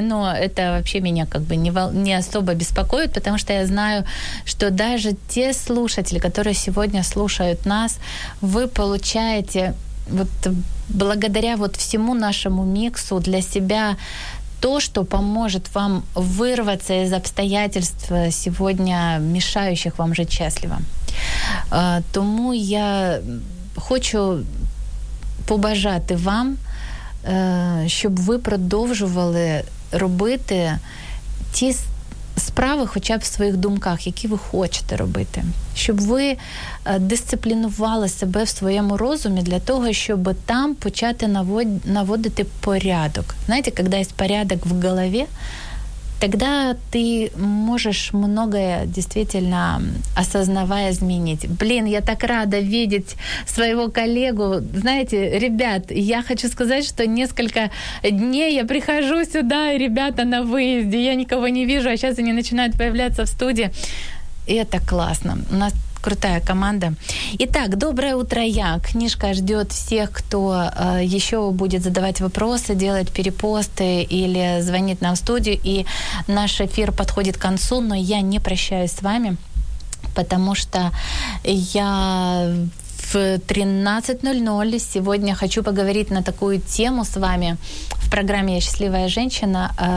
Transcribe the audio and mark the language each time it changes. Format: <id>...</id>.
<ru>Но это вообще меня как бы не особо беспокоит, потому что я знаю, что даже те слушатели, которые сегодня слушают нас, вы получаете вот благодаря вот всему нашему миксу для себя то, что поможет вам вырваться из обстоятельств сегодня, мешающих вам жить счастливо.</ru> <uk>Тому я хочу побажати вам, щоб ви продовжували робити ті справи хоча б в своїх думках, які ви хочете робити. Щоб ви дисциплінували себе в своєму розумі для того, щоб там почати наводити порядок. Знаєте, коли є порядок в голові, тоді ти можеш многое дійсно осознавая змінити. Блін, я так рада бачити свого колегу. Знаєте, ребят, я хочу сказати, що несколько днів я прихожу сюди, і ребята на виїзді, я нікого не вижу, а зараз вони починають появляться в студії. І це класно.</uk> <ru>У нас крутая команда. Итак, доброе утро, я. Книжка ждет всех, кто еще будет задавать вопросы, делать перепосты или звонить нам в студию. И наш эфир подходит к концу, но я не прощаюсь с вами, потому что я в 13:00 сегодня хочу поговорить на такую тему с вами в программе «Я счастливая женщина».</ru>